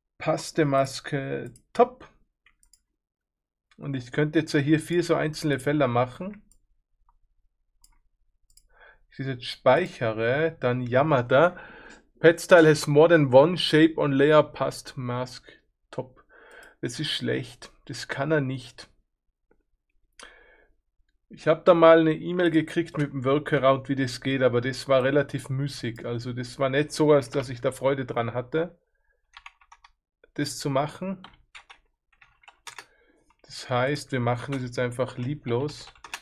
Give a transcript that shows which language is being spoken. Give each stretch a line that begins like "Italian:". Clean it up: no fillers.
German: Paste-Maske, top. Und ich könnte jetzt ja hier vier so einzelne Felder machen. Ich jetzt speichere, dann jammert er.
English: PetStyle has more than one shape on layer past mask top.
German: Das ist schlecht. Das kann er nicht. Ich habe da mal eine E-Mail gekriegt mit dem Workaround, wie das geht, aber das war relativ müßig. Also das war nicht so, als dass ich da Freude dran hatte, das zu machen. Das heißt, wir machen das jetzt einfach lieblos.